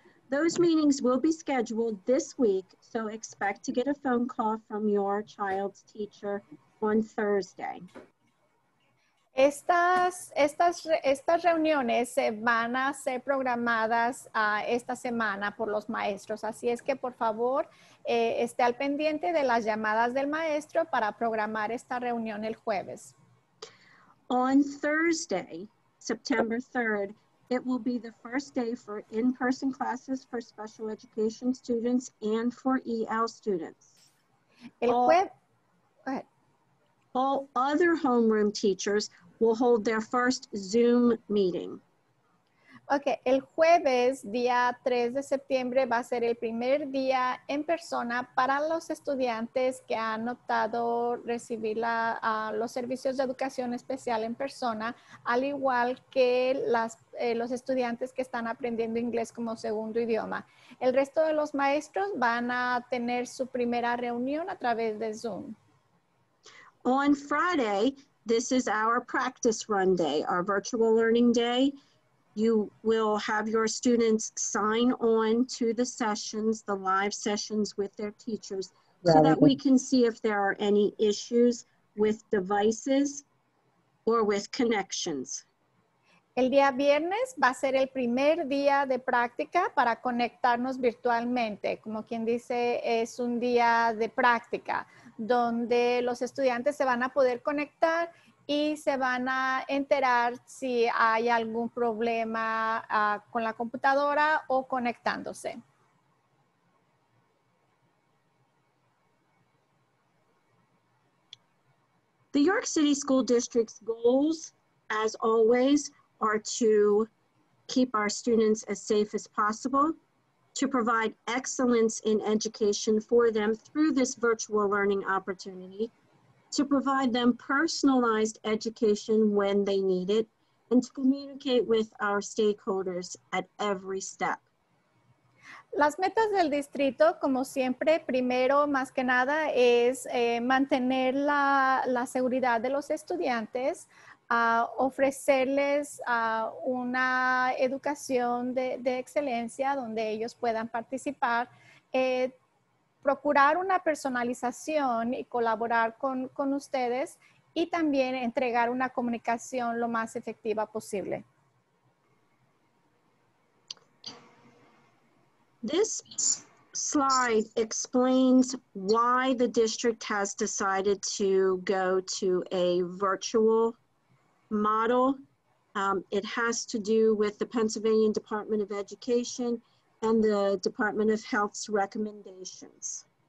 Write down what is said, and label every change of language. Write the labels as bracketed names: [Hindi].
[English] Those meetings will be scheduled this week, so expect to get a phone call from your child's teacher on Thursday. [Spanish] Estas reuniones se van a ser programadas esta semana por los maestros, así es que por favor esté al pendiente de las llamadas del maestro para programar esta reunión el jueves. [English] On Thursday, September 3rd, it will be the first day for in-person classes for special education students and for EL students. All other homeroom teachers will hold their first Zoom meeting. [Spanish] Okay, el jueves, día 3 de septiembre, va a ser el primer día en persona para los estudiantes que han optado recibir los servicios de educación especial en persona, al igual que los estudiantes que están aprendiendo inglés como segundo idioma. El resto de los maestros van a tener su primera reunión a través de Zoom. [English] On Friday, this is our practice run day, our virtual learning day. You will have your students sign on to the sessions, the live sessions with their teachers, so that we can see if there are any issues with devices or with connections. [Spanish] El día viernes va a ser el primer día de práctica para conectarnos virtualmente. Como quien dice, es un día de práctica donde los estudiantes se van a poder conectar y se van a enterar si hay algún problema con la computadora o conectándose. [English] The York City School District's goals, as always, are to keep our students as safe as possible, to provide excellence in education for them through this virtual learning opportunity, to provide them personalized education when they need it, and to communicate with our stakeholders at every step. [Spanish] Las metas del distrito, como siempre, primero, más que nada, es mantener la seguridad de los estudiantes, ofrecerles una educación de excelencia donde ellos puedan participar, procurar una personalización y colaborar con ustedes y también entregar una comunicación lo más efectiva posible. [English] This slide explains why the district has decided to go to a virtual model. It has to do with the Pennsylvania Department of Education and the Department of Health's recommendations.